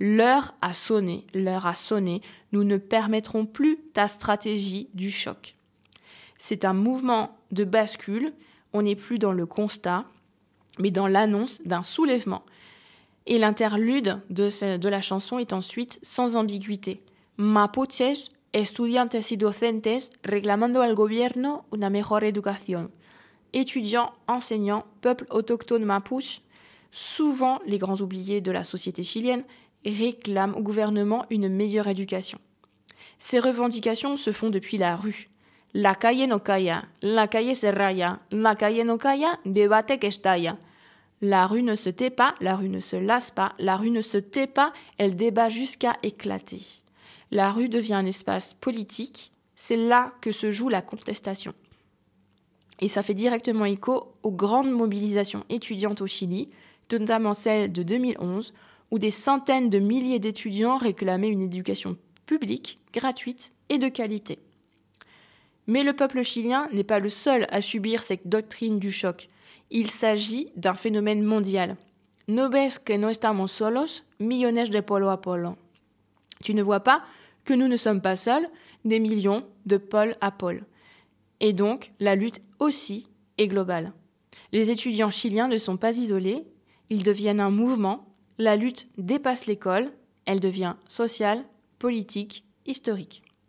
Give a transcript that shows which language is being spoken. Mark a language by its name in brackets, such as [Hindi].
[French] L'heure a sonné, nous ne permettrons plus ta stratégie du choc. C'est un mouvement de bascule, on n'est plus dans le constat, mais dans l'annonce d'un soulèvement. Et l'interlude de la chanson est ensuite sans ambiguïté. [Spanish] Mapuches, estudiantes y docentes reclamando al gobierno una mejor educación. [French] Étudiants, enseignants, peuple autochtone mapuche, souvent les grands oubliés de la société chilienne, réclament au gouvernement une meilleure éducation. Ces revendications se font depuis la rue. [Spanish] La calle no calla, la calle se raya, la calle no calla, debate que estalla. [French] La rue ne se tait pas, la rue ne se lasse pas, la rue ne se tait pas, elle débat jusqu'à éclater. La rue devient un espace politique, c'est là que se joue la contestation. Et ça fait directement écho aux grandes mobilisations étudiantes au Chili, notamment celle de 2011, où des centaines de milliers d'étudiants réclamaient une éducation publique, gratuite et de qualité. Mais le peuple chilien n'est pas le seul à subir cette doctrine du choc. Il s'agit d'un phénomène mondial. [Spanish] No ves que no estamos solos, millones de polo a polo. [French] Tu ne vois pas que nous ne sommes pas seuls, des millions de pôle à pôle. Et donc, la lutte aussi est globale. Les étudiants chiliens ne sont pas isolés, ils deviennent un mouvement. La lutte dépasse l'école, elle devient sociale, politique, historique.